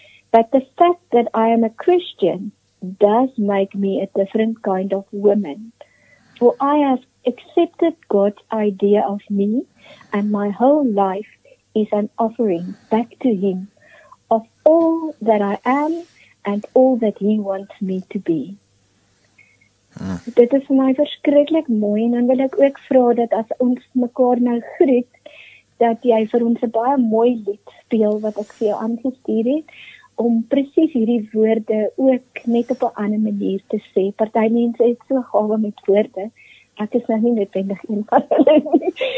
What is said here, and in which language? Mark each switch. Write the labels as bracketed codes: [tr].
[en] But the fact that I am a Christian does make me a different kind of woman. For I have accepted God's idea of me and my whole life is an offering back to Him of all that I am and all that He wants me to be. [af] Dit is vir my verskriklik mooi en dan wil ek ook vra dat as ons mekaar nou groet, dat jy vir ons 'n baie mooi lied speel wat ek vir jou aangestuur het, om precies hierdie woorde ook net op 'n ander manier te sê. Party mense is so gawe met woorde, ek is nog nie noodwendig een van hulle nie.